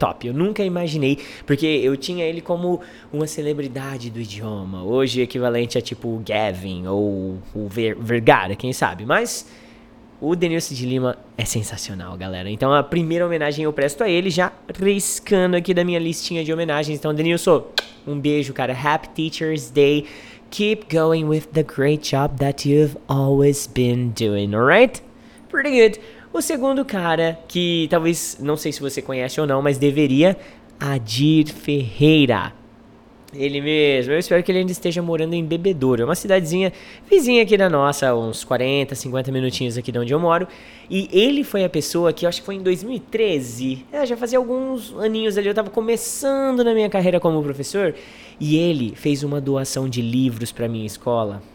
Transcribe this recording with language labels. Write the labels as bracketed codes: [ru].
[pt] Eu nunca imaginei, porque eu tinha ele como uma celebridade do idioma. Hoje, equivalente a tipo o Gavin ou o Vergara, quem sabe. Mas o Denilson de Lima é sensacional, galera. Então, a primeira homenagem eu presto a ele, já riscando aqui da minha listinha de homenagens. Então, Denilson, um beijo, cara. [en] Happy Teacher's Day. Keep going with the great job that you've always been doing, alright? Pretty good. [pt] O segundo cara, que talvez, não sei se você conhece ou não, mas deveria, Adir Ferreira. Ele mesmo. Eu espero que ele ainda esteja morando em Bebedouro. É uma cidadezinha vizinha aqui da nossa, uns 40, 50 minutinhos aqui de onde eu moro. E ele foi a pessoa que, eu acho que foi em 2013, já fazia alguns aninhos ali, eu tava começando na minha carreira como professor, e ele fez uma doação de livros pra minha escola.